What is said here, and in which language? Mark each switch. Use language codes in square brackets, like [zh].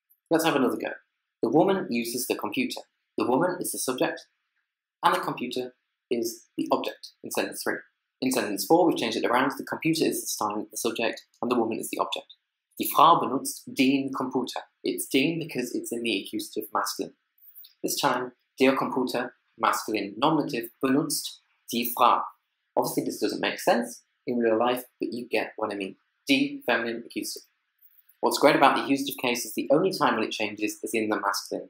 [en] Let's have another go. The woman uses the computer. The woman is the subject, and the computer is the object in sentence three. In sentence four, we've changed it around. The computer is the subject, and the woman is the object. [de] Die Frau benutzt den Computer. [en] It's den because it's in the accusative masculine. This time, der Computer, masculine nominative, [de] benutzt die Frau. [en] Obviously, this doesn't make sense in real life, but you get what I mean. D, feminine, accusative. What's great about the accusative case is the only time when it changes is in the masculine.